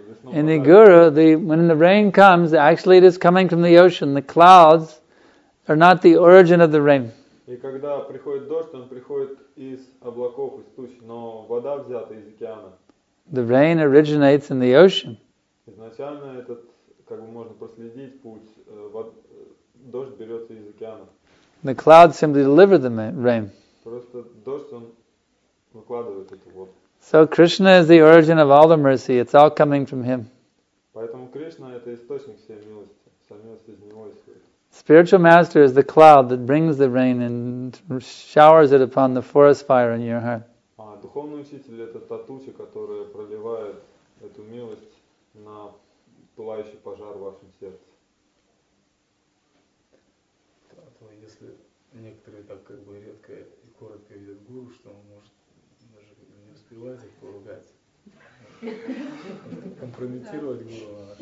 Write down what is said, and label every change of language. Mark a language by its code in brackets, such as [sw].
[en] In the Guru, when the rain comes, actually it is coming from the ocean. The clouds are not the origin of the rain. [ru] И когда приходит дождь, он приходит из облаков, из туч, но вода взята из океана. [en] The rain originates in the ocean. [ru] Изначально этот, как бы можно проследить путь, дождь берется из океана. [en] The clouds simply deliver the rain. [ru] Просто дождь, он выкладывает эту воду. [en] So Krishna is the origin of all the mercy. It's all coming from Him. [ru] Поэтому Кришна это источник всей милости, вся милость из Него исходит. [en] Spiritual master is the cloud that brings the rain and showers it upon the forest fire in your heart. [ru] А духовный учитель это та туча, которая проливает эту милость на пылающий пожар в вашем сердце. Поэтому если некоторые так как бы редко и коротко видят гуру, что он может даже не успевать их поругать, компрометировать гуру